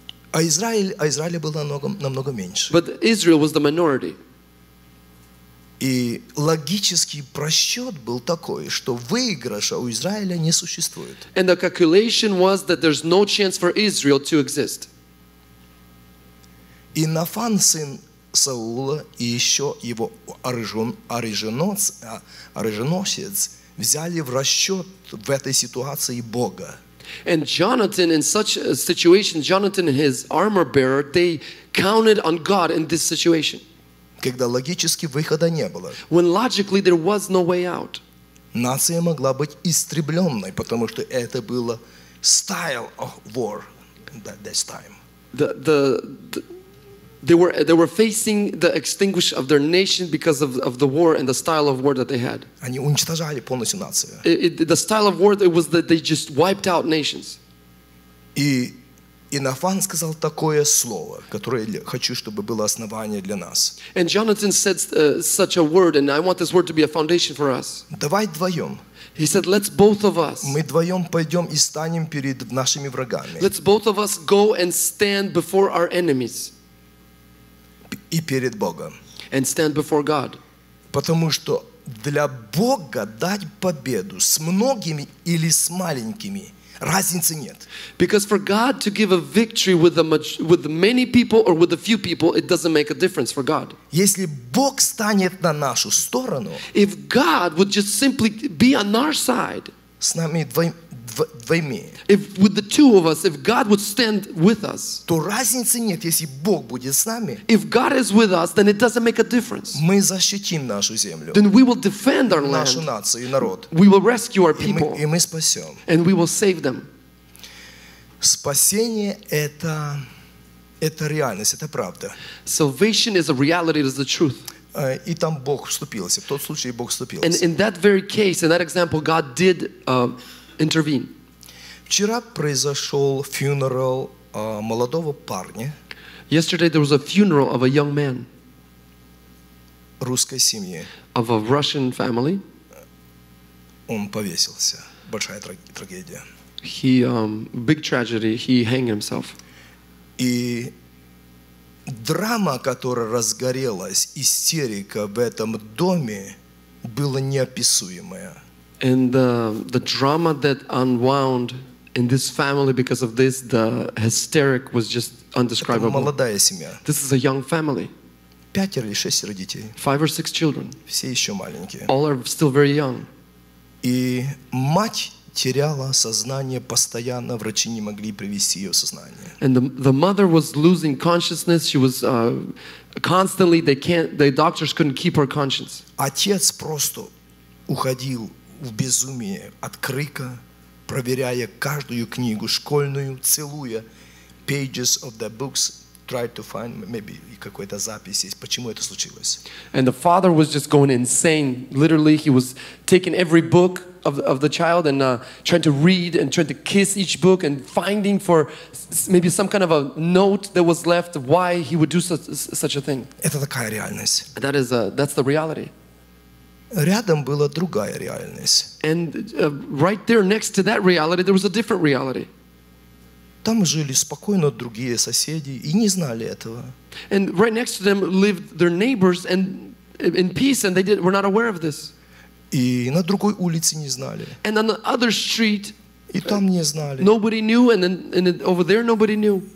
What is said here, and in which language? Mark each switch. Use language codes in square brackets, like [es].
[ru] а Израиль было намного меньше. [en] But Israel was the minority. [ru] И логический просчет был такой, что выигрыша у Израиля не существует. [en] And the calculation was that there's no chance for Israel to exist. [ru] И Нафан, сын Саула, и еще его оруженосец взяли в расчет в этой ситуации Бога. [en] And Jonathan, in such a situation, Jonathan and his armor bearer, they counted on God in this situation. [ru] Когда логически выхода не было. [en] When logically there was no way out. [ru] Нация могла быть истребленной, потому что это было [en] style of war at that time. The They were facing the extinguish of their nation because of the war and the style of war that they had. [ru] Они уничтожали полностью нацию. [en] The style of war it was that they just wiped out nations. [ru] И Нафан сказал такое слово, которое я хочу, чтобы было основание для нас. [en] And Jonathan said such a word, and I want this word to be a foundation for us. [ru] Давай вдвоем. [en] He said, "Let's both of us." [ru] Мы вдвоем пойдем и станем перед нашими врагами. [en] Let's both of us go and stand before our enemies. [ru] И перед Богом. [en] And stand before God. [ru] Потому что для Бога дать победу с многими или с маленькими разницы нет. [en] Because for God to give a victory with many people or with a few people, it doesn't make a difference for God. [ru] Если Бог станет на нашу сторону, [en] if God would just simply be on our side, [ru] с нами двоими, [en] if with the two of us, if God would stand with us, [ru] то разницы нет, если Бог будет с нами. [en] If God is with us, then it doesn't make a difference. [ru] Мы защитим нашу землю. [en] Then we will defend our [ru] нашу [en] land. [ru] Нашу нацию и народ. [en] We will rescue our people. [ru] И мы спасем. [en] And we will save them. [ru] Спасение это реальность, это правда. [en] Salvation is a reality, it is the truth. [ru] И там Бог вступился. В тот случай Бог вступился. [en] And in that very case, in that example, God did intervene. [ru] Вчера произошел funeral молодого парня. [en] Yesterday there was a funeral of a young man. [ru] Русской семьи. [en] Of a Russian family. [ru] Он повесился. Большая трагедия. [en] He big tragedy. He hanged himself. [ru] И драма, которая разгорелась, истерика в этом доме, была неописуемая. [en] And the drama that unwound in this family because of this, the hysteric was just undescribable. [ru] Это молодая семья. [en] This is a young family. [ru] Пятеро или шестеро детей. [en] Five or six children. [ru] Все еще маленькие. [en] All are still very young. [ru] И мать теряла сознание постоянно, врачи не могли привести ее в сознание. [en] And the mother was losing consciousness. She was constantly the doctors couldn't keep her conscious. [ru] Отец просто уходил в безумие от крика, проверяя каждую книгу школьную, целуя [en] pages of the books, tried to find maybe [ru] какой-то запись есть, почему это случилось. [en] And the father was just going insane. Literally, he was taking every book of the child and trying to read and trying to kiss each book and finding for maybe some kind of a note that was left why he would do such a thing. [ru] Это такая реальность. [en] That is that's the reality. [ru] Рядом была другая реальность. [en] And right there next to that reality, there was a different reality. [ru] Там жили спокойно другие соседи и не знали этого. [en] And right next to them lived their neighbors and in peace, and they were not aware of this. [ru] И на другой улице не знали. [en] And on the other street, [ru] и там не знали. [en] Nobody knew, and then and over there nobody knew.